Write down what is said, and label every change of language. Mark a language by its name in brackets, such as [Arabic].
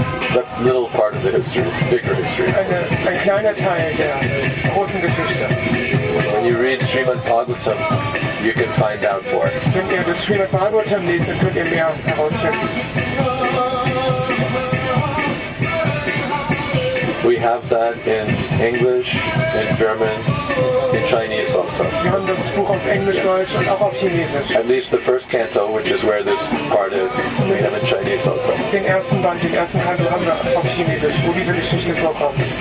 [English] The little part of the history, bigger history. [German] Ein kleiner Teil der großen Geschichte. [English] When you read Srimad Bhagavatam, you can find out for it. [German] Wenn ihr das Srimad Bhagavatam liest, dann könnt ihr mehr herausfinden. [English] We have that in English, in German, in Chinese also. [German] Wir haben das Buch auf Englisch, Deutsch und auch auf Chinesisch. [English] At least the first canto, which is where this part is, we have in Chinese also. [German] Den ersten Band, den ersten Kanto haben wir auf Chinesisch, wo diese Geschichte vorkommt.